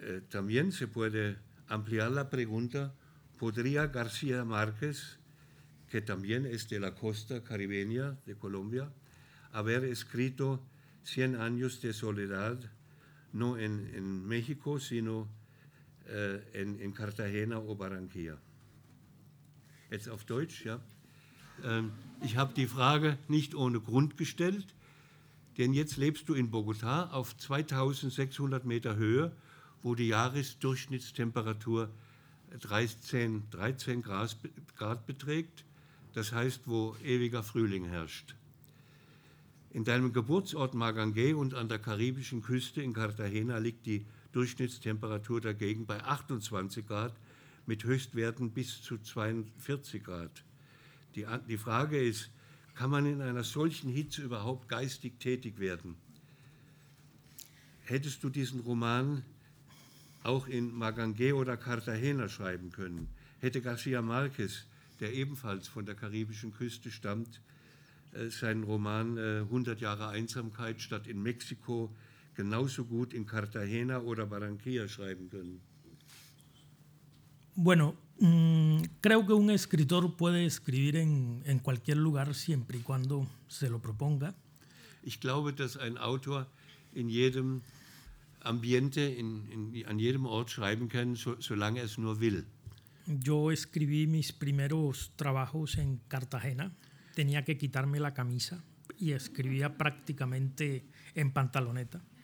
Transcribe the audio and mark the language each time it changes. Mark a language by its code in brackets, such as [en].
[es] También se puede ampliar la pregunta, ¿podría García Márquez, que también es de la costa caribeña de Colombia, haber escrito 100 años de soledad, no en México, sino en Cartagena o Barranquilla? [de] Jetzt auf Deutsch, ja. Ich habe die Frage nicht ohne Grund gestellt, denn jetzt lebst du in Bogotá auf 2600 Meter Höhe, wo die Jahresdurchschnittstemperatur 13 Grad beträgt, das heißt, wo ewiger Frühling herrscht. In deinem Geburtsort Magangué und an der karibischen Küste in Cartagena liegt die Durchschnittstemperatur dagegen bei 28 Grad, mit Höchstwerten bis zu 42 Grad. Die Frage ist, kann man in einer solchen Hitze überhaupt geistig tätig werden? Hättest du diesen Roman auch in Magangué oder Cartagena schreiben können? Hätte García Márquez, der ebenfalls von der karibischen Küste stammt, seinen Roman 100 Jahre Einsamkeit statt in Mexiko genauso gut in Cartagena oder Barranquilla schreiben können? [es] Bueno, creo que un escritor puede escribir en cualquier lugar siempre y cuando se lo proponga. [de] Ich glaube, dass ein Autor in jedem Ambiente, an jedem Ort schreiben kann, solange es nur will. [es] Yo escribí mis primeros trabajos en Cartagena. Tenía que quitarme la camisa y escribía prácticamente en pantaloneta.